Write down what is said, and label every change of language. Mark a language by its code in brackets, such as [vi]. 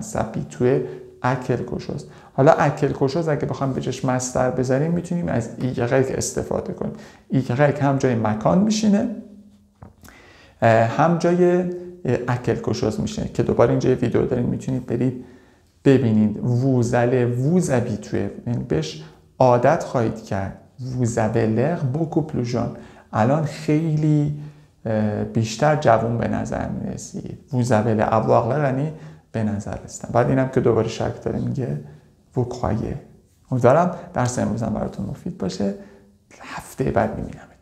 [fa] سبیتوه اکل کشوست. حالا اکل کشوست اگه بخوام به جش مستر بذاریم میتونیم از ایگرگ استفاده کنیم. ایگرگ هم جای مکان میشینه هم جای اکل کشوست میشینه که دوباره اینجا ویدیو داریم میتونید برید ببینید. ووزله ووز ابیتوه یعنی بهش عادت خواهید کرد. [fr] Vous avez l'air beaucoup plus jeune. [fa] الان خیلی بیشتر جوان به نظر میرسید. [fr] Vous avez l'air [fa] یعنی به نظر رسیدم. بعد اینم که دوباره شک داره میگه Vous croyez. امیدوارم درس امروزم براتون مفید باشه. هفته بعد میبینم.